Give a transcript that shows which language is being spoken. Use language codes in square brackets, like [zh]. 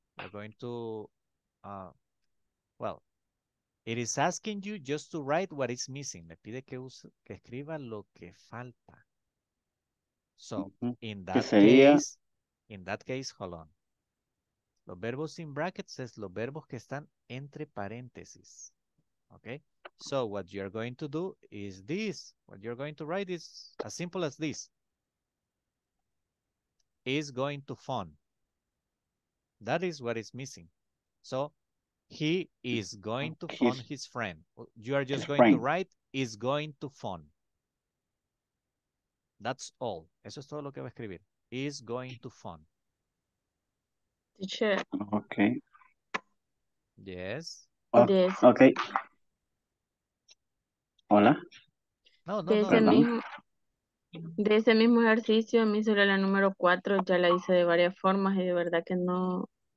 [en] You're going to, well, it is asking you just to write what is missing. [es] Me pide que use, que escriba lo que falta. [en] So, in that case, hold on. [es] Los verbos in brackets es los verbos que están entre paréntesis. [en] Okay? So what you're going to do is this. What you're going to write is as simple as this. Is going to phone. That is what is missing. So he is going to phone his friend. You are just going to write is going to phone. That's all. [es] Eso es todo lo que va a escribir. [en] Is going to phone. Okay. Yes. Oh, okay. [es] Hola. No, de ese mismo ejercicio, a mí sobre la número 4, ya la hice de varias formas y de verdad que no,